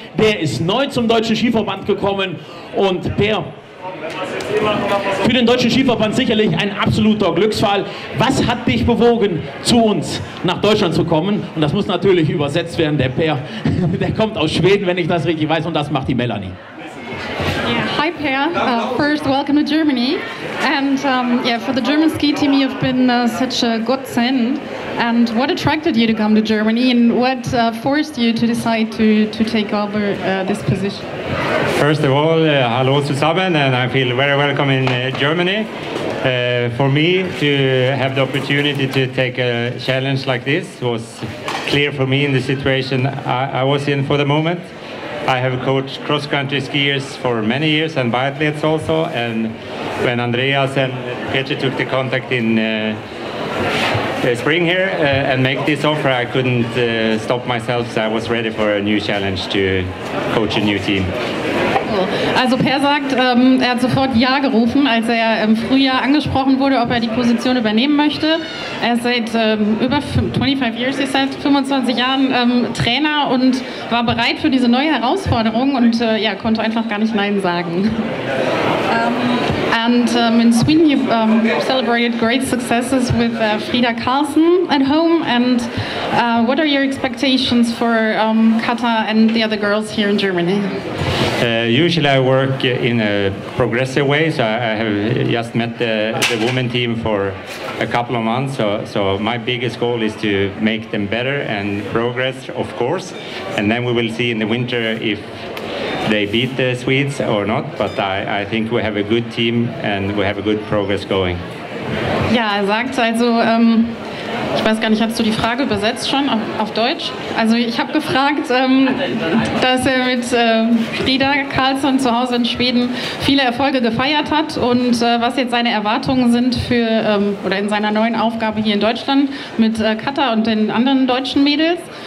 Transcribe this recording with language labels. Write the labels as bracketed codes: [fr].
[de] Der ist neu zum Deutschen Skiverband gekommen. Und Per, für den Deutschen Skiverband sicherlich ein absoluter Glücksfall. Was hat dich bewogen, zu uns nach Deutschland zu kommen? Und das muss natürlich übersetzt werden. Der Per, der kommt aus Schweden, wenn ich das richtig weiß. Und das macht die Melanie. [en] Hi Per, first welcome to Germany. And yeah, for the German ski team, you've been such a godsend. And what attracted you to come to Germany and what forced you to decide to take over this position? First of all, hello zusammen, and I feel very welcome in Germany. For me to have the opportunity to take a challenge like this was clear for me in the situation I was in for the moment. I have coached cross-country skiers for many years and biathletes also, and when Andreas and Peter took the contact in the spring here and make this offer, I couldn't stop myself, so I was ready for a new challenge to coach a new team. [de] Also Per sagt, er hat sofort Ja gerufen, als er im Frühjahr angesprochen wurde, ob er die Position übernehmen möchte. Er ist seit über 25 years, ist seit 25 Jahren Trainer und war bereit für diese neue Herausforderung und ja, konnte einfach gar nicht Nein sagen. [en] And in Sweden you celebrated great successes with Frida Carlson at home. And what are your expectations for Kata and the other girls here in Germany? Usually I work in a progressive way, so I have just met the women team for a couple of months. So my biggest goal is to make them better and progress, of course. And then we will see in the winter if they beat the Swedes or not, but I think we have a good team and we have a good progress going. [de] Ja, er sagt also, Ich weiß gar nicht, hast du die Frage übersetzt schon auf Deutsch? Also ich habe gefragt, dass er mit Frida Karlsson zu Hause in Schweden viele Erfolge gefeiert hat und was jetzt seine Erwartungen sind für oder in seiner neuen Aufgabe hier in Deutschland mit Katha und den anderen deutschen Mädels.